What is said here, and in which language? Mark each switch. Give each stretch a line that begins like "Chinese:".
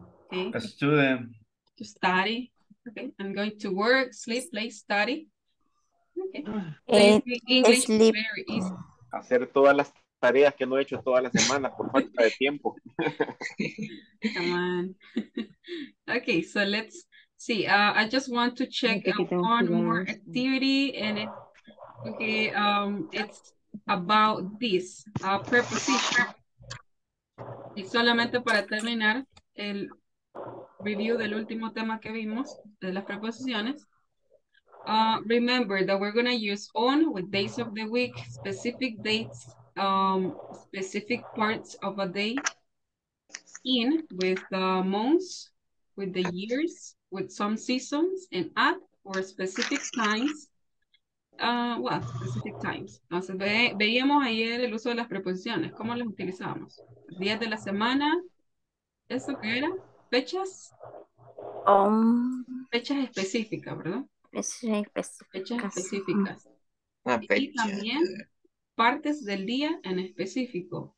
English: Okay. A student. To study. Okay. I'm going to work, sleep, play, study. Okay. Sleep.
Spanish: Hacer todas las tareas que no he hecho toda la semana por falta de tiempo.
English: Come on. Okay, so let's see. I just want to check one more activity, and it's about this preposition.
Spanish: Y solamente para terminar el review del último tema que vimos de las preposiciones.
English: Remember that we're going to use on with days of the week, specific dates, specific parts of a day, in with the months, with the years, with some seasons, and at for specific times, what specific times?
Spanish: Entonces, veíamos ayer el uso de las preposiciones. ¿Cómo las utilizábamos? Días de la semana. ¿Eso qué era? ¿Fechas? Fechas específicas, ¿verdad? Fechas específicas. Y también partes del día en específico.